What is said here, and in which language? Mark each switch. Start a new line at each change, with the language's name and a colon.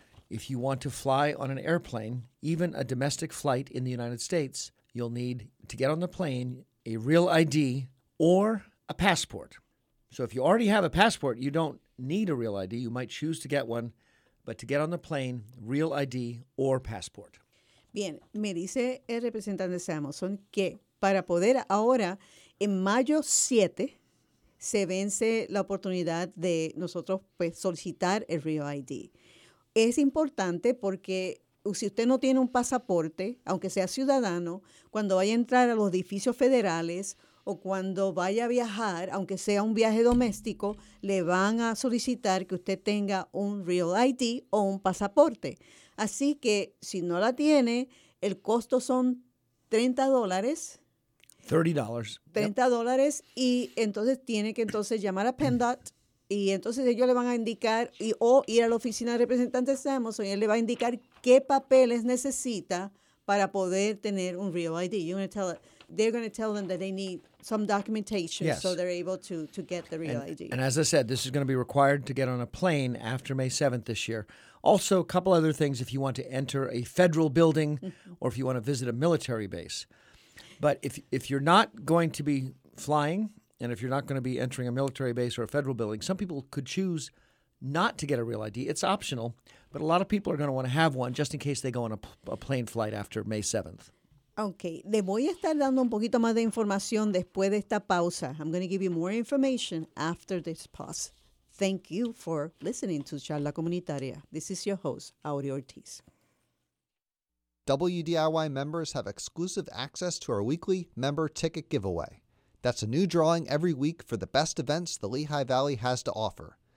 English: If you want to fly on an airplane, even a domestic flight in the United States, you'll need to get on the plane a Real ID or a passport. So if you already have a passport, you don't need a Real ID. You might choose to get one. But to get on the plane, Real ID or passport.
Spanish: Bien, me dice el representante Samuelson que para poder ahora, en mayo 7, se vence la oportunidad de nosotros pues, solicitar el Real ID. Es importante porque si usted no tiene un pasaporte, aunque sea ciudadano, cuando vaya a entrar a los edificios federales o cuando vaya a viajar, aunque sea un viaje doméstico, le van a solicitar que usted tenga un Real ID o un pasaporte. Así que, si no la tiene, el costo son $30. $30.
English: $30. Yep.
Spanish: Y entonces tiene que entonces llamar a PennDOT y entonces ellos le van a indicar o ir a la oficina de representantes de Amazon y él le va a indicar qué papeles necesita para poder tener un Real ID.
English: You're going to tell it. They're going to tell them that they need some documentation. Yes. So they're able to get the Real ID. And as I said, this is going to be required to get on a plane after May 7th this year. Also, a couple other things if you want to enter a federal building or if you want to visit a military base. But if you're not going to be flying and if you're not going to be entering a military base or a federal building, some people could choose not to get a Real ID. It's optional, but a lot of people are going to want to have one just in case they go on a plane flight after May 7th.
Spanish: Okay, le voy a estar dando un poquito más de información después de esta pausa.
English: I'm going to give you more information after this pause. Thank you for listening to Charla Comunitaria. This is your host, Aurea Ortiz. WDIY members have exclusive access to our weekly member ticket giveaway. That's a new drawing every week for the best events the Lehigh Valley has to offer.